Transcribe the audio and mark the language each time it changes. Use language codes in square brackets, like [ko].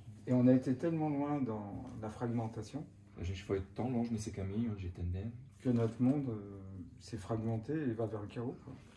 [fr] Et on a été tellement loin dans la fragmentation [pt] A gente foi tão longe nesse caminho de entender. [fr] que notre monde s'est fragmenté et va vers le chaos, quoi.